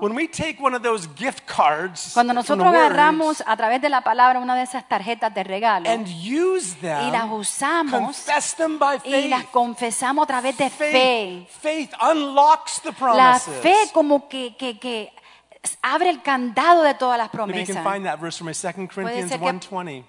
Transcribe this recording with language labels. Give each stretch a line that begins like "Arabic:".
English: When we take one of those gift cards,
Spanish: cuando nosotros agarramos a través de la palabra una de esas tarjetas de regalo
English: and use them,
Spanish: y las usamos
English: confess them by faith,
Spanish: y las confesamos a través de fe.
English: Faith unlocks the promises.
Spanish: La fe como que abre el candado de todas las promesas.
English: Maybe you can find that verse from 2 Corinthians 1:20.